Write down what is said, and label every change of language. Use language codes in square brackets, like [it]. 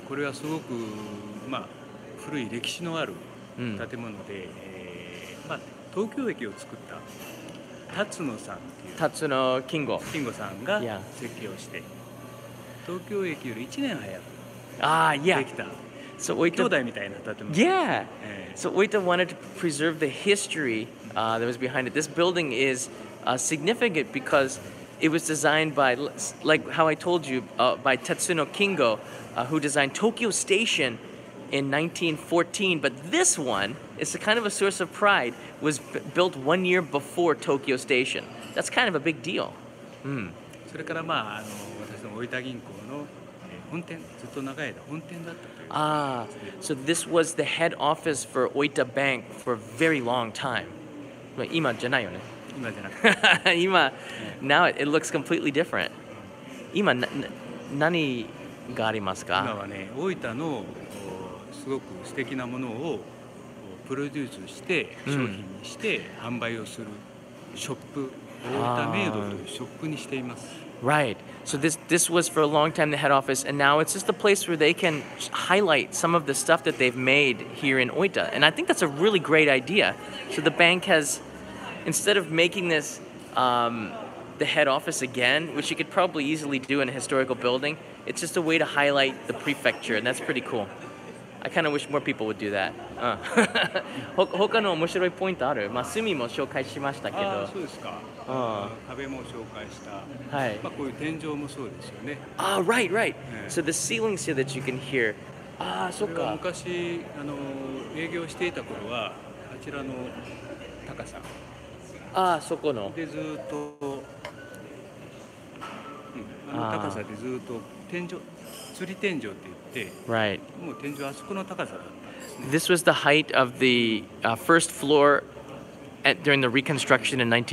[ja] これはすごく、まあ、古い歴史のある建物で、うん、まあ、東京駅を作った辰野さんっていう。辰野金吾。金吾さんが設計をして、東京駅より1年早くできた。 [en] So Oita, yeah. So Oita wanted to preserve the history that was behind it. This building is significant because it was designed by, like how I told you, by Tatsuno Kingo, who designed Tokyo Station in 1914. But this one is a kind of a source of pride. Was built 1 year before Tokyo Station. That's kind of a big deal. Hmm. [ja] それからまああの私の Oita 銀行の本店、ずっと長い間本店だったという。 [en] ああ、so this was the head office for Oita Bank for a very long time. [ja] 今じゃないよね。今じゃない。今、 [en] now it looks completely different. [ja] 今、何がありますか？今はね、Oitaのすごく素敵なものをプロデュースして、商品にして販売をするショップ、Oita メイドというショップにしています。 [en] Right. So this was for a long time the head office, and now it's just a place where they can highlight some of the stuff that they've made here in Oita. And I think that's a really great idea. So the bank has, instead of making this the head office again, which you could probably easily do in a historical building, it's just a way to highlight the prefecture, and that's pretty cool. I kind of wish more people would do that. [ja] 他の面白いポイントある？まあ、隅も紹介しましたけど。ああ、そうですか。壁も紹介した。はい。まあ、こういう天井もそうですよね。 [en] ああ、right, right. So the ceilings here that you can hear. [ja] ああ、そっか。昔、あの、営業していた頃は、あちらの高さ。ああ、そこの。で、ずっと、あの高さでずっと、天井、吊り天井って言って、 [en] right. [ja] もう天井あそこの高さだった。 [en] This was the height of the first floor at, during the reconstruction in